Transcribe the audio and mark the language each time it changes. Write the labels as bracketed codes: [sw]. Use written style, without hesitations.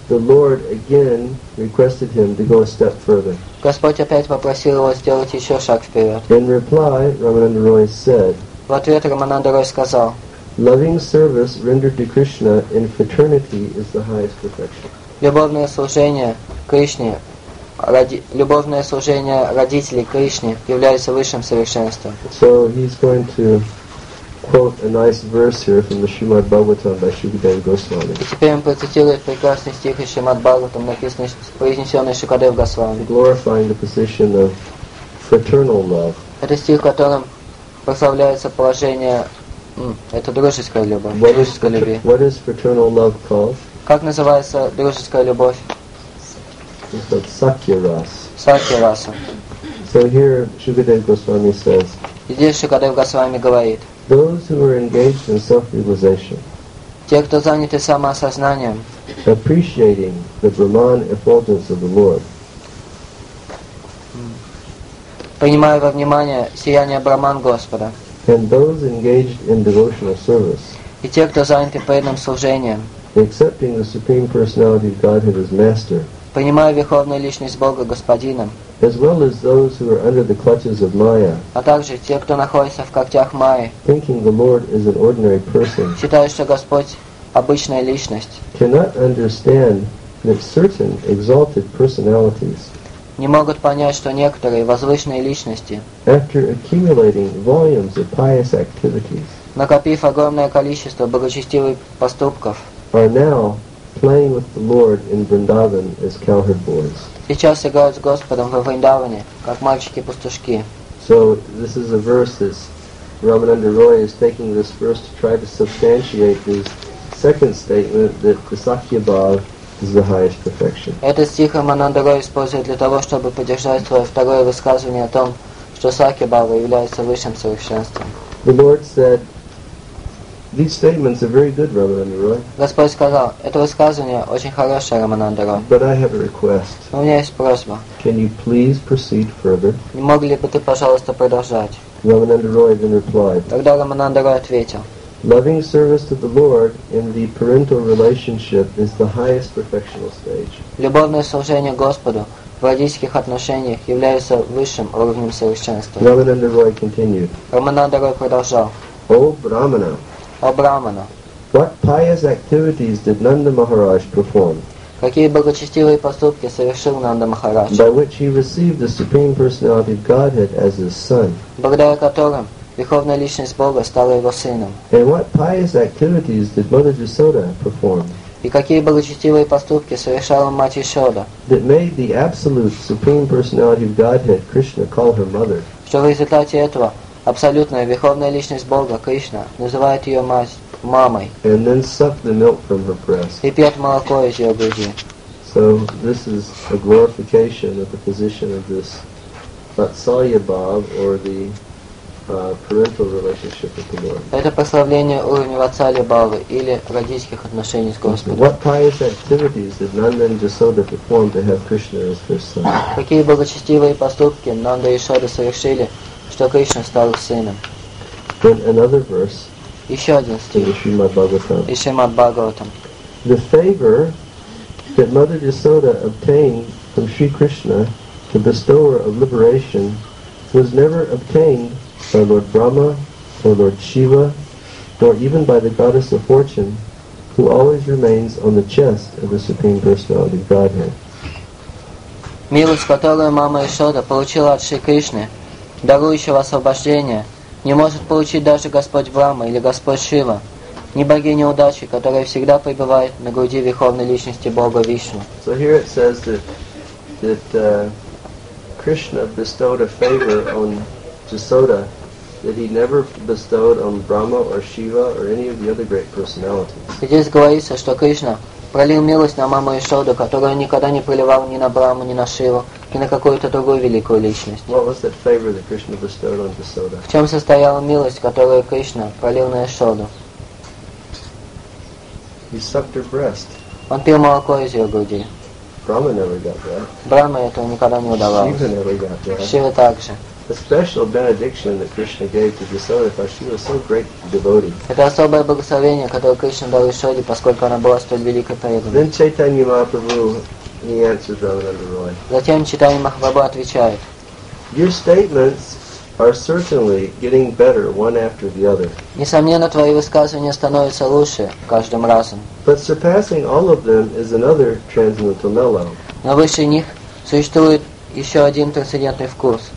[en] the Lord again requested him to go a step further. [ru] Господь опять попросил его сделать еще шаг вперед. [en] In reply, Рамананда Рой said, [ru] в ответ Рамананда Рой сказал, [en] loving service rendered to Krishna in fraternity is the highest perfection. [ru] Любовное служение Кришне, любовное служение родителей Кришне является высшим совершенством. [en] So he's going to quote a nice verse here from the Srimad Bhagavatam by Shukadeva Goswami. [ru] И теперь он процитирует прекрасный стих из Шримад Бхагаватам, произнесенный Шукадев Госвами. [en] Glorifying the position of fraternal love. [ru] Это стих, в котором прославляется положение это дружеская любовь. [en] What is, what is fraternal love called? [ru] Как называется дружеская любовь? [en] It's called Sakya-rasa. [ru] Sakya-rasa. [en] So here Shukadev Goswami says, [ru] здесь Шукадев Госвами говорит, [en] those who are engaged in self-realization, [ru] те, кто заняты самоосознанием, [en] appreciating the Brahman effulgence of the Lord, [ru] принимая во внимание сияние Брахман Господа, [en] and those engaged in devotional service, [ru] и те, кто заняты преданным служением, [en] accepting the Supreme Personality of Godhead as Master, [ru] принимая Верховную Личность Бога Господином, [en] as well as those who are under the clutches of Maya, [ru] а также те, кто находится в когтях Майи, [en] thinking the Lord is an ordinary person, [ru] считая, что Господь обычная личность, [en] cannot understand that certain exalted personalities, [ru] не могут понять, что некоторые возвышенные личности, [en] after accumulating volumes of pious activities, [ru] накопив огромное количество благочестивых поступков, [en] are now playing with the Lord in Vrindavan as cowherd boys. [ru] Сейчас играют с Господом во Вриндаване, как мальчики-пастушки. [en] So this is a verse that Рамананда Рой is taking this verse to try to substantiate his second statement that the Sakya Bhav is the highest perfection. [ru] Этот стих Рамананда Рой использует для того, чтобы поддержать свое второе высказывание о том, что Сакья Бхава является высшим совершенством. [en] The Lord said, these statements are very good, Рамананда Рой. [ru] Господь сказал, это высказывание очень хорошее, Рамананда Рой. [en] But I have a request. [ru] У меня есть просьба. [en] Can you please proceed further? [ru] Не мог ли бы ты, пожалуйста, продолжать? [en] Рамананда Рой then replied. [ru] Тогда Рамананда Рой ответил. [en] Loving service to the Lord in the parental relationship is the highest perfectional stage. [ru] Любовное служение Господу в родительских отношениях является высшим уровнем совершенства. [en] Рамананда Рой continued. [ru] Рамананда Рой продолжал. [en] О, Брахмана! [ru] О Брахмана! [en] What pious activities did Nanda Maharaj perform? [ru] Какие благочестивые поступки совершил Нанда Махарадж? [en] By which he received the Supreme Personality of Godhead as his son. [ru] Благодаря которым Верховная Личность Бога стала его сыном. [en] And what pious activities did Mother Yashoda perform? [ru] И какие благочестивые поступки совершала Мать Ясода? [en] That made the absolute Supreme Personality of Godhead, Krishna, call her mother. [ru] Что в результате этого Абсолютная Верховная Личность Бога, Кришна, называет ее мать, мамой. [en] And then suck the milk from her breast. [ru] И пьет молоко из ее груди. [en] So this is a glorification of the position of this Vatsalya Bhav, or the parental relationship with the Lord. [ru] Это прославление уровня Vatsalya Bhava, или родительских отношений с Господом. [en] What pious activities did Nanda and Yashoda perform to have Krishna as their son? [ru] Какие благочестивые поступки Нанда и Ясода совершили, что Кришна стал их сыном. [en] Then another verse. [ru] Еще один стих. Из Шримад Бхагаватам. [en] The favor that Mother Yashoda obtained from Sri Krishna, the bestower of liberation, was never obtained by Lord Brahma or Lord Shiva, nor even by the goddess of fortune, who always remains on the chest of the Supreme Personality of Godhead. [ru] Милость, которую Мама Ясода получила от Шри Кришны, дарующего освобождения, не может получить даже Господь Брама или Господь Шива, ни богиня удачи, которая всегда пребывает на груди Верховной Личности Бога Вишну. [en] So here it says that Krishna bestowed a favor on Jasoda that he never bestowed on Brahma or Shiva or any of the other great personalities. [ru] Здесь говорится, что Кришна пролил милость на маму Ишоду, которую никогда не проливал ни на Брахму, ни на Шиву, ни на какую-то другую великую личность. [en] What was that favor that Krishna bestowed on Jasoda? [ru] В чем состояла милость, которую Кришна пролил на Ишоду? [en] He sucked her breast. [ru] Он пил молоко из ее груди. [en] Brahma never got that. [ru] Брахма этого никогда не удавалось. [en] Shiva never got that. [ru] Шива также. [en] The special benediction that Krishna gave to Jasoda, for she was so great devotee. [ru] Это особое благословение, которое Кришна дал Ишоде, поскольку она была столь великой преданной. [en] Then Chaitanya Mahaprabhu, he answered Ramananda Roy. [ru] Затем Чайтанья Махапрабху отвечает. [en] Your statements are certainly getting better one after the other. [ru] Несомненно, твои высказывания становятся лучше каждым разом. [en] But surpassing all of them is another transcendental mellow. [ru] Но выше них существует еще один трансцендентный вкус.